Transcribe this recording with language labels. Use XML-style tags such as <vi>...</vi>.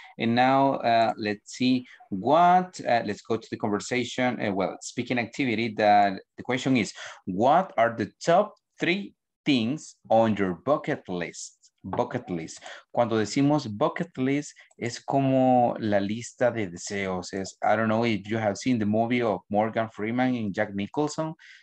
<en>And now, let's see what, let's go to the conversation, well, speaking activity, the question is, what are the top three things on your bucket list? Bucket list.</en> <es>Cuando decimos bucket list, es como la lista de deseos. Es,</es> <en>I don't know if you have seen the movie of Morgan Freeman and Jack Nicholson.</en>